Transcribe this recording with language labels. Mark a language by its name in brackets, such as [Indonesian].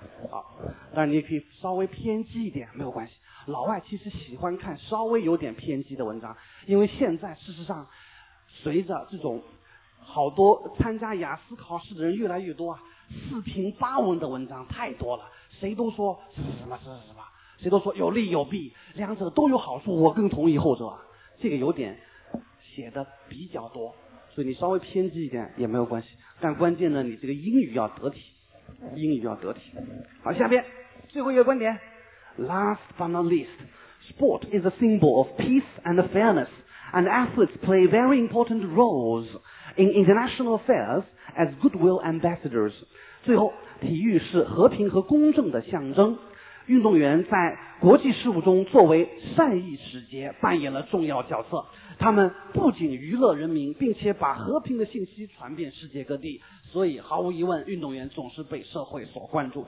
[Chinese] 好，但是你也可以稍微偏激一点没有关系，老外其实喜欢看稍微有点偏激的文章，因为现在事实上随着这种好多参加雅思考试的人越来越多啊，四平八稳的文章太多了，谁都说是什么是什么，谁都说有利有弊，两者都有好处，我更同意后者，这个有点写的比较多，所以你稍微偏激一点也没有关系，但关键呢你这个英语要得体，英语要得体。好，下面最后一个观点 [English] Last but not least, Sport is a symbol of peace and fairness, and athletes play very important roles in international affairs as goodwill ambassadors. [Chinese] 最后，体育是和平和公正的象征，运动员在国际事务中作为善意使节扮演了重要角色，他们不仅娱乐人民，并且把和平的信息传遍世界各地，所以毫无疑问，运动员总是被社会所关注。